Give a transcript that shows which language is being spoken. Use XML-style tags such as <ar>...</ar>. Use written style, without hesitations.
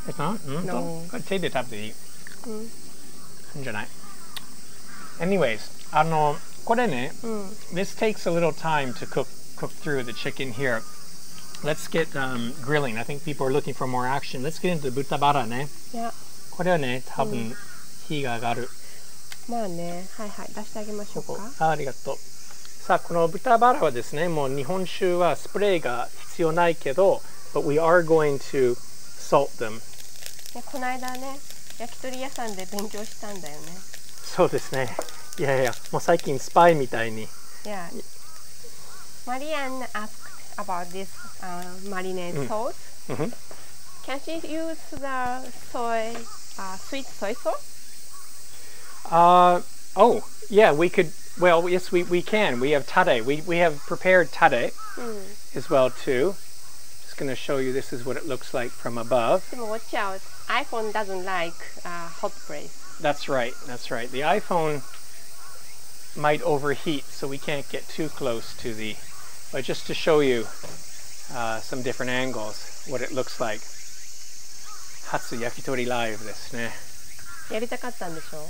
<en>It's not? No.</en> <ja>これ手で食べていい。んじゃない。</ja> <en>Anyways,</en> <ja>これね、</ja> <en>this takes a little time to cook through the chicken here. Let's get grilling. I think people are looking for more action. Let's get into the 豚バラね。 Yeah.</en> <ja>これはね、多分火が上がる。まあね、はいはい、出してあげましょうか。ここ。ありがとう。さあ、この豚バラはですね、もう日本酒はスプレーが必要ないけど、</ja> <en>But we are going to salt them.</en> <ja>この間ね、焼き鳥屋さんで勉強したんだよね。そうですね。いやいや、もう最近スパイみたいに。</ja> <en>Yeah. Marianne asked about this marinade salt. Can she use the sweet soy sauce? Oh, yeah, we could. Well, yes, we can. We have tare. We have prepared tare as well, too. Going to show you this is what it looks like from above. But watch out, iPhone doesn't like hot place. That's right. The iPhone might overheat, so we can't get too close to the. But just to show you some different angles, what it looks like.</en> <ja>初焼き鳥ライブですね。やりたかったんでしょう。</ja>